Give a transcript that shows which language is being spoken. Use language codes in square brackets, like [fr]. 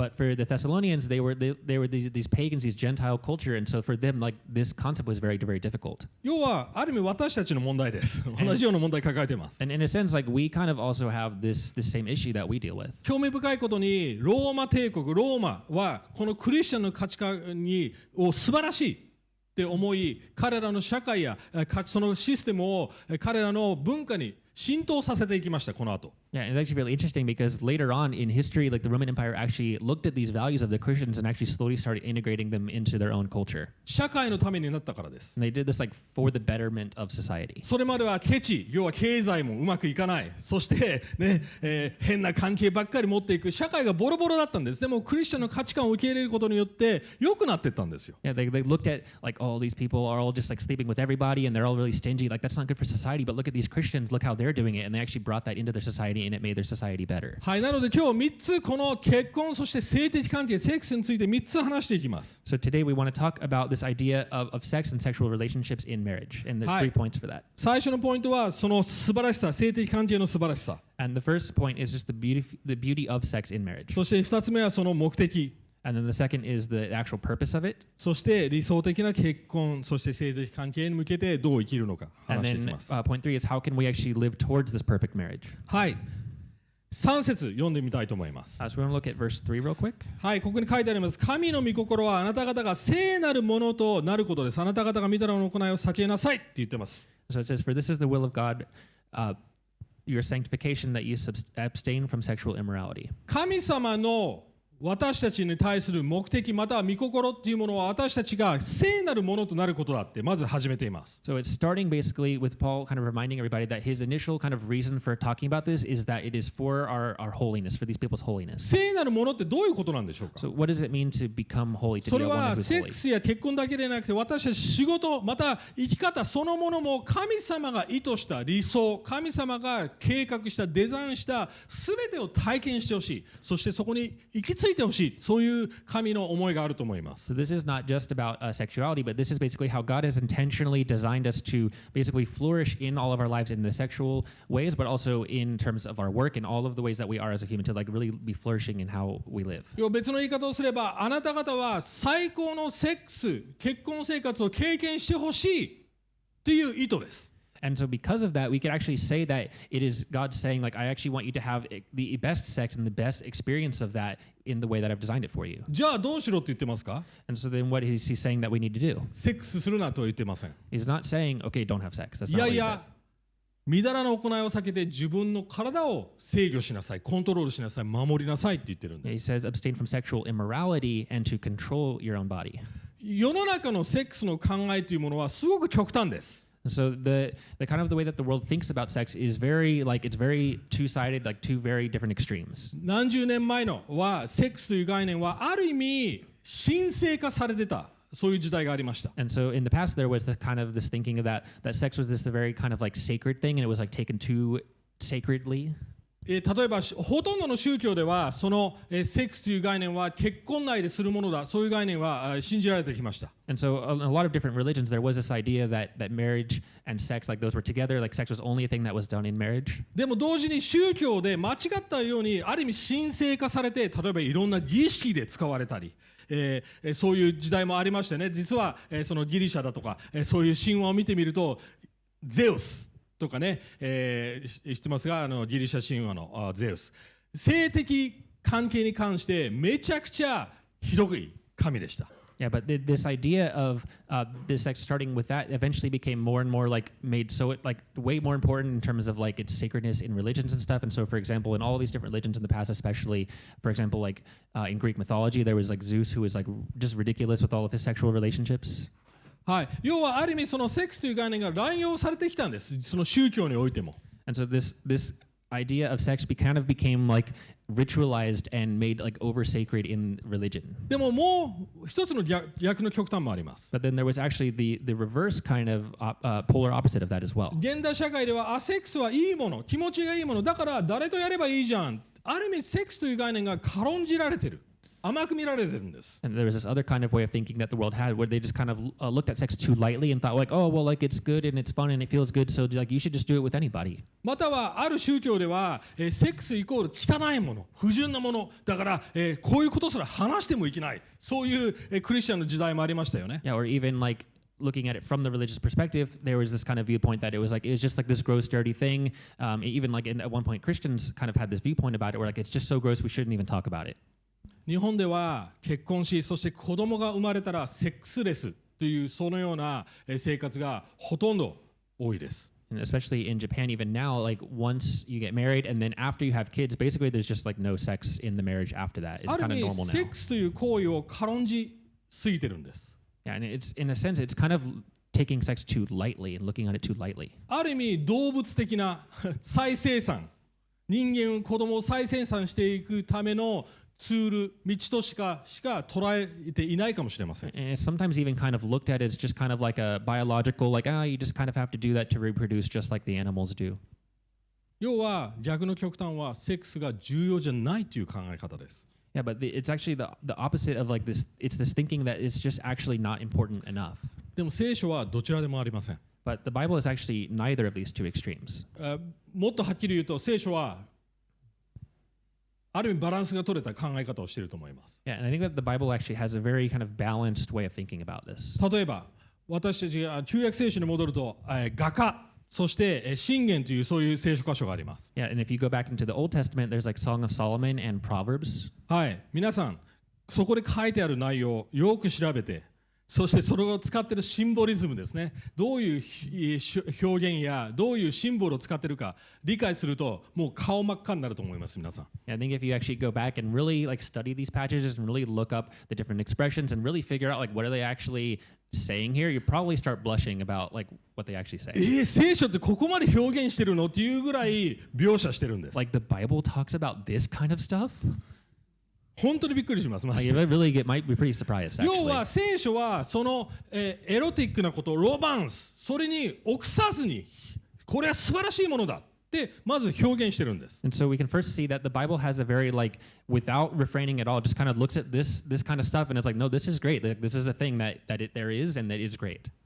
[en] But for the Thessalonians, they were these pagans, these Gentile culture, and so for them, like this concept was very, very difficult. [ja] 要はある意味私たちの問題です。同じような問題抱えてます。 [en] And in a sense, like we kind of also have this same issue that we deal with. [ja] 興味深いことにローマ帝国ローマはこのクリスチャンの価値観にを素晴らしいって思い、彼らの社会やそのシステムを彼らの文化に浸透させていきました、この後。 [en] Yeah, and it's actually really interesting because later on in history, like the Roman Empire actually looked at these values of the Christians and actually slowly started integrating them into their own culture. [ja] 社会のためになったからです。 [en] And they did this like for the betterment of society. [ja] それまではケチ、要は経済もうまくいかない。そしてね、変な関係ばっかり持っていく。社会がボロボロだったんです。でもクリスチャンの価値観を受け入れることによって良くなってったんですよ。 [en] Yeah, they looked at like all these people are all just like sleeping with everybody and they're all really stingy. Like that's not good for society, but look at these Christians, look how they're doing it and they actually brought that into their society. And it made their society better. [ja] はい、なので今日3つこの結婚そして性的関係、セックスについて3つ話していきます。 [en] So today we want to talk about this idea of sex and sexual relationships in marriage, and there's three points for that. [ja] 最初のポイントはその素晴らしさ、性的関係の素晴らしさ。 [en] And the first point is just the beauty of sex in marriage. [ja] そして2つ目はその目的。 [en] And then the second is the actual purpose of it. [ja] そして理想的な結婚、そして性的関係に向けてどう生きるのか話していきます。 [en] And then point three is how can we actually live towards this perfect marriage? [ja] はい。 3節読んでみたいと思います。 [en] So we're going to look at verse 3 real quick. [ja] はい、ここに書いてあります。神の御心はあなた方が聖なるものとなることです。あなた方が御霊の行いを避けなさいって言ってます。 [en] So it says, for this is the will of God, your sanctification that you abstain from sexual immorality. [ja] 神様の私たちに対する目的または御心っていうものは私たちが聖なるものとなることだってまず始めています。 [en] So it's starting basically with Paul kind of reminding everybody that his initial kind of reason for talking about this is that it is for our holiness, for these people's holiness. [ja] 聖なるものってどういうことなんでしょうか? [en] So what does it mean to become holy? [ja] それはセックスや結婚だけでなくて私たち仕事また生き方そのものも神様が意図した理想、神様が計画したデザインした全てを体験してほしい。そしてそこに生きついてほしい、そういう神の思いがあると思います。 [en] So this is not just about sexuality, but this is basically how God has intentionally designed us to basically flourish in all of our lives in the sexual ways, but also in terms of our work and all of the ways that we are as a human to like really be flourishing in how we live. [ja] 別の言い方をすれば、あなた方は最高のセックス、結婚生活を経験してほしいという意図です。 [en] And so because of that, we could actually say that it is God saying, like, I actually want you to have the best sex and the best experience of that in the way that I've designed it for you. [ja] じゃあどうしろって言ってますか? [en] And so then what is he saying that we need to do? [ja] セックスするなとは言ってません。 [en] He's not saying, okay, don't have sex. That's not what he says. [ja] みだらの行いを避けて自分の体を制御しなさい、コントロールしなさい、守りなさいって言ってるんです。 [en] He says, abstain from sexual immorality and to control your own body. [ja] 世の中のセックスの考えというものはすごく極端です。 [en] So the kind of the way that the world thinks about sex is very like it's very two-sided, like two very different extremes. [ja] 何十年前のはセックスという概念はある意味神聖化されてた。そういう時代がありました。 [en] And so in the past there was this kind of this thinking of that, that sex was this very kind of like sacred thing and it was like taken too sacredly. [ja] 例えばほとんどの宗教ではそのセックスという概念は結婚内でするものだそういう概念は信じられてきました。 [en] And so a lot of different religions there was this idea that, that marriage and sex like those were together like sex was only a thing that was done in marriage. [ja] でも同時に宗教で間違ったようにある意味神聖化されて例えばいろんな儀式で使われたり。そういう時代もありましてね実は、そのギリシャだとか、そういう神話を見てみるとゼウスとかね、知ってますがあのギリシャ神話のゼウス性的関係に関してめちゃくちゃひどい神でした。 [en] Yeah, but this idea of this sex starting with that eventually became more and more like made so it like way more important in terms of like its sacredness in religions and stuff. And so, for example, in all these different religions in the past, especially, for example, like in Greek mythology, there was like Zeus who was like just ridiculous with all of his sexual relationships. [ja] はい。要はある意味そのセックスという概念が乱用されてきたんです。その宗教においても。 [en] And so this idea of sex kind of became like ritualized and made like over sacred in religion. [ja] でももう一つの逆の極端もあります。 [en] But then there was actually the reverse kind of polar opposite of that as well. [ja] 現代社会ではアセックスはいいもの、気持ちがいいもの、だから誰とやればいいじゃん。ある意味セックスという概念が軽んじられてる。甘く見られてるんです。 [en] And there was this other kind of way of thinking that the world had where they just kind of looked at sex too lightly and thought like, oh, well, like it's good and it's fun and it feels good, so like you should just do it with anybody. [ja] またはある宗教では、セックスイコール汚いもの、不純なもの、だから、こういうことすら話してもいけない、そういう、クリスチャンの時代もありましたよね。 [en] Yeah, or even like looking at it from the religious perspective, there was this kind of viewpoint that it was just like this gross, dirty thing. Even like at one point, Christians kind of had this viewpoint about it where like it's just so gross, we shouldn't even talk about it. [ja] 日本では結婚し、そして子供が生まれたらセックスレスというそのような生活がほとんど多いです。 [en] And especially in Japan, even now, like once you get married and then after you have kids, basically there's just like no sex in the marriage after that. It's kind of normal now. [ja] ある意味、セックスという行為を軽んじすぎてるんです。 [en] Yeah, and it's in a sense, it's kind of taking sex too lightly and looking at it too lightly. [ja] ある意味、動物的な再生産、人間、子供を再生産していくためのツール道としかしか捉えていないかもしれません。 [en] Sometimes even kind of looked at as just kind of like a biological, like ah, you just kind of have to do that to reproduce, just like the animals do. [ja] 要は逆の極端はセックスが重要じゃないという考え方です。 [en] Yeah, but it's actually the opposite of like this. It's this thinking that it's just actually not important enough. [ja] でも聖書はどちらでもありません。 [en] But the Bible is actually neither of these two extremes. [ja] もっとはっきり言うと聖書はある意味バランスが取れた考え方をしていると思います。 [en] Yeah, and I think that the Bible actually has a very kind of balanced way of thinking about this. [ja] 例えば、私たちが旧約聖書に戻ると、画家、そして箴言というそういう聖書箇所があります。 [en] Yeah, and if you go back into the Old Testament, there's like Song of Solomon and Proverbs. [ja] はい、皆さん、そこで書いてある内容をよく調べて、そしてそれを使っているシンボリズムですね。どういう表現やどういうシンボルを使っているか理解するともう顔真っ赤になると思います、皆さん。 [en] Yeah, I think if you actually go back and really like study these passages and really look up the different expressions and really figure out like what are they actually saying here, you probably start blushing about like what they actually say. [ja] 聖書ってここまで表現してるのっていうぐらい描写してるんです。 [en] Like the Bible talks about this kind of stuff? [ja] 本当にびっくりします。 [en] Really, it might be pretty surprised, actually. [ja] 要は聖書はそのエロティックなこと、ロマンス、それに臆さずに、これは素晴らしいものだってまず表現してるんです。 [en] And so we can first see that the Bible has a very like without refraining at all, just kind of looks at this kind of stuff and it's like, no, this is great. This is a thing that it, there is and that is great.